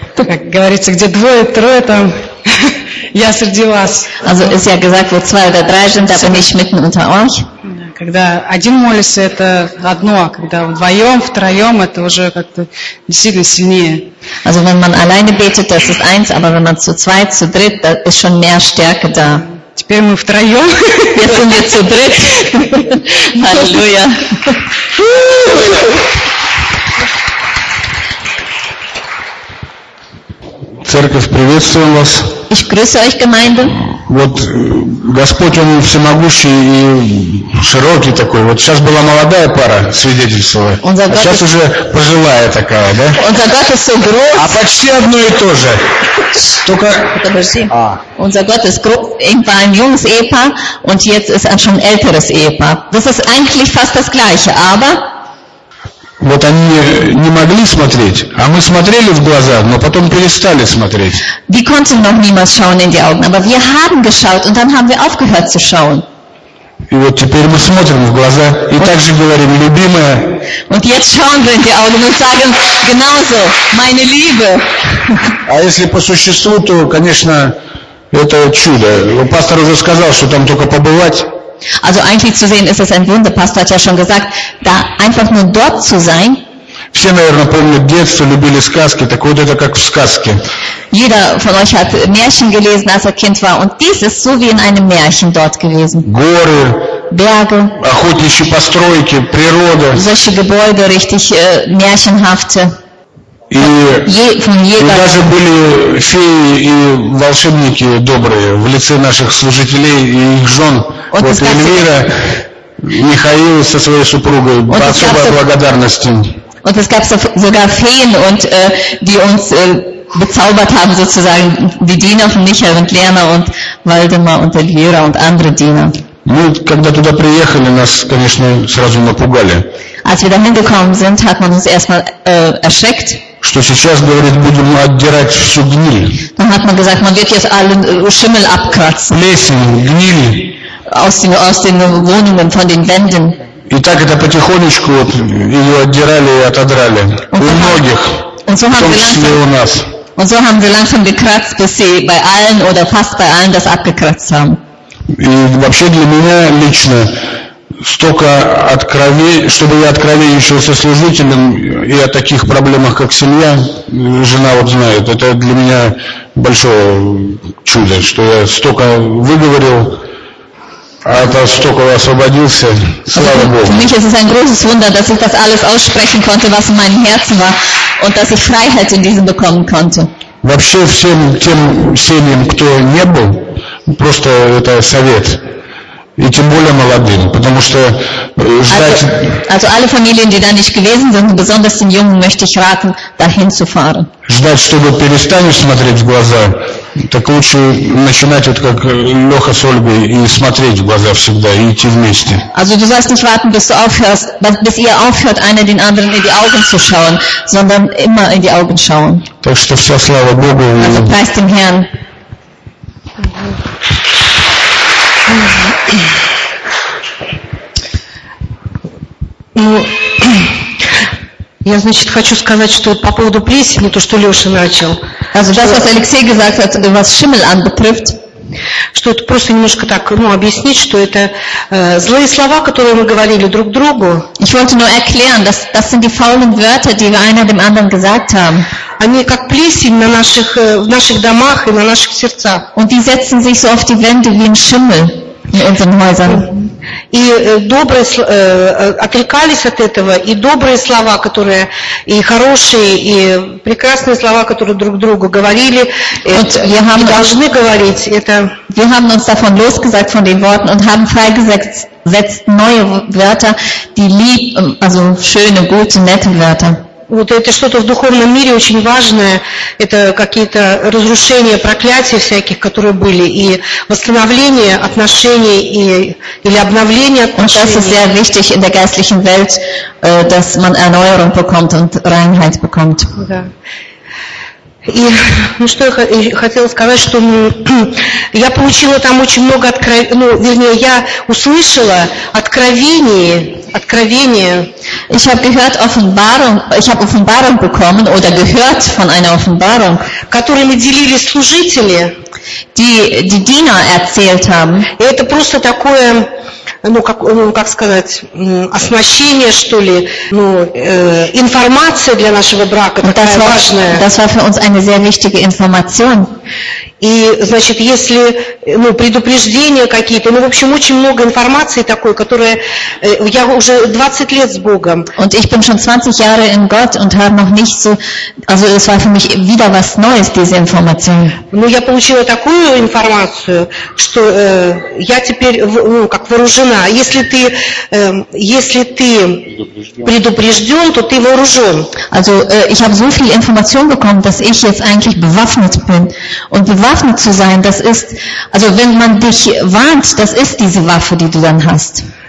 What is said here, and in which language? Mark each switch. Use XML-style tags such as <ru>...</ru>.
<ru>Как говорится, где двое, трое, там я среди вас.</ru> <de>Also ist ja gesagt, wo zwei oder drei sind, da bin ich mitten unter euch.</de> <ru>Когда один молится, это одно, когда вдвоем, втроем, это уже как-то действительно сильнее.</ru> <de>Also wenn man alleine betet, das ist eins, aber wenn man zu zweit, zu dritt, da ist schon mehr Stärke da.</de> <ru>Теперь мы втроем.</ru> <de>Jetzt sind wir zu dritt. Halleluja.</de> <ru>Церковь, приветствуем вас.</ru> <de>Ich grüße euch, Gemeinde.</de> <ru>Вот Господь, Он всемогущий и широкий такой. Вот сейчас была молодая пара, свидетельствовала. А сейчас уже пожилая такая, да?</ru> <de>Unser Gott ist so groß.</de> <ru>А почти одно и то же. Только... Подожди.</ru> <de>Unser Gott ist groß. Irgendwann ein junges Ehepaar und jetzt ist ein schon älteres Ehepaar. Das ist eigentlich fast das Gleiche, aber...</de> <ru>Вот они не могли смотреть, а мы смотрели в глаза, но потом перестали смотреть.</ru> <de>Wir konnten noch niemals schauen in die Augen, aber wir haben geschaut und dann haben wir aufgehört zu schauen.</de> <ru>И вот теперь мы смотрим в глаза и также говорим, любимая.</ru> <de>Und jetzt schauen wir in die Augen und sagen genauso, meine Liebe.</de> <ru>А если по существу, то, конечно, это чудо. Пастор уже сказал, что там только побывать.</ru> <de>Also eigentlich zu sehen ist es ein Wunder, Pastor hat ja schon gesagt, da einfach nur dort zu sein.</de> <ru>Все, наверное, помнят детство, любили сказки, так вот это как в сказке.</ru> <de>Jeder von euch hat Märchen gelesen, als er Kind war, und dies ist so wie in einem Märchen dort gewesen.</de> <ru>Горы,</ru> <de>Berge,</de> <ru>охотничьи постройки, природа.</ru> <de>Solche Gebäude, richtig märchenhafte.</de> <ru>И даже были феи и волшебники добрые в лице наших служителей и их жен.</ru> <de>Und</de> <ru>вот Эльвира, Михаил со своей супругой, особая благодарность им.</ru> <de>Und es gab sogar Feen, und, die uns bezaubert haben, sozusagen, die Diener von Michael und Lena und Waldemar und Эльвира und andere Diener.</de> <ru>Мы, когда туда приехали, нас, конечно, сразу напугали.</ru> <de>Als wir dahin gekommen sind, hat man uns erstmal erschreckt.</de> <ru>Что сейчас, говорит, будем отдирать всю гниль.</ru> <de>Dann hat man gesagt, man wird jetzt allen Schimmel abkratzen.</de> <ru>Плесень, гниль.</ru> <de>Aus den Wohnungen, von den Wänden.</de> <ru>И так это потихонечку вот, ее отдирали и отодрали.</ru> <de>Und</de> <ru>у</ru> <de>dann,</de> <ru>многих,</ru> <de>und so</de> <ru>в том числе</ru> <de>langsam,</de> <ru>у нас.</ru> <de>Und so haben wir langsam gekratzt, bis sie bei allen oder fast bei allen das abgekratzt haben.</de> <ru>И вообще для меня лично столько откровений, чтобы я откровенничался со служителем и о таких проблемах, как семья, жена вот знает, это для меня большое чудо, что я столько выговорил, а то столько освободился, слава Богу.</ru> <de>Für mich ist es ein großes Wunder, dass ich das alles aussprechen konnte, was in meinem Herzen war, und dass ich Freiheit in diesem bekommen konnte.</de> <ru>Вообще всем тем семьям, кто не был, просто это совет. И тем более молодым, потому что ждать...</ru> <de>Also alle Familien, die da nicht gewesen sind, besonders den Jungen, möchte ich raten, dahin zu fahren.</de> <ru>Ждать, чтобы перестанешь смотреть в глаза, так лучше начинать вот как Леха с Ольгой и смотреть в глаза всегда, и идти вместе.</ru> <de>Also du sollst nicht warten, bis du aufhörst, bis ihr aufhört, einer den anderen in die Augen zu schauen, sondern immer in die Augen schauen.</de> <ru>Так что вся слава Богу.</ru> <de>Also preist dem Herrn.</de> <ru>Ну, я, значит, хочу сказать, что по поводу плесени, то, что Леша начал.</ru> <de>Also, das,</de> <ru>что,</ru> <de>was Алексей gesagt hat, was Schimmel anbetrifft,</de> <ru>что это просто немножко так, ну, объяснить, что это злые слова, которые мы говорили друг другу.</ru> <de>Ich wollte nur erklären, das sind die faulen Wörter, die wir einer dem anderen gesagt haben.</de> <ru>Они как плесень на наших, в наших домах и на наших сердцах.</ru> <de>Und die setzen sich so auf die Wände wie ein Schimmel in unseren Häusern.</de> <ru>И добрые отрекались от этого, и добрые слова, которые и хорошие, и прекрасные слова, которые друг другу говорили, и должны говорить. Это.</ru> <de>Wir haben uns davon losgesagt von den Worten und haben freigesetzt neue Wörter, die lieb, also schöne, gute, nette Wörter.</de> <ru>Вот это что-то в духовном мире очень важное, это какие-то разрушения, проклятия всяких, которые были, и восстановление отношений, и, или обновление отношений.</ru> <de>Und das ist sehr wichtig in der geistlichen Welt, dass man Erneuerung bekommt und Reinheit bekommt.</de> <ru>Да. И, ну что я хотела сказать, что ну, я получила там очень много откровений, ну, вернее, я услышала откровений, откровения.</ru> <de>Ich habe gehört Offenbarung, ich habe Offenbarung bekommen oder gehört von einer Offenbarung,</de> <ru>которыми делились служители,</ru> <de>die Diener erzählt haben.</de> <ru>И это просто такое, ну как, ну как сказать, оснащение что ли, ну информация для нашего брака такая важная.</ru> <de>Das war für uns eine sehr wichtige Information.</de> <ru>И, значит, если, ну, предупреждения какие-то, ну, в общем, очень много информации такой, которая, я уже 20 лет с Богом.</ru> <de>Und ich bin schon 20 Jahre in Gott und habe noch nicht so, also es war für mich wieder was Neues, diese Information.</de> <ru>Ну, я получила такую информацию, что я теперь, ну, как вооружена. Если ты предупрежден, то ты вооружен.</ru> <de>Also, ich habe so viel Information bekommen, dass ich jetzt eigentlich bewaffnet bin. Und bewaffnet zu sein, das ist, also wenn man dich warnt, das ist diese Waffe, die du dann hast.</de>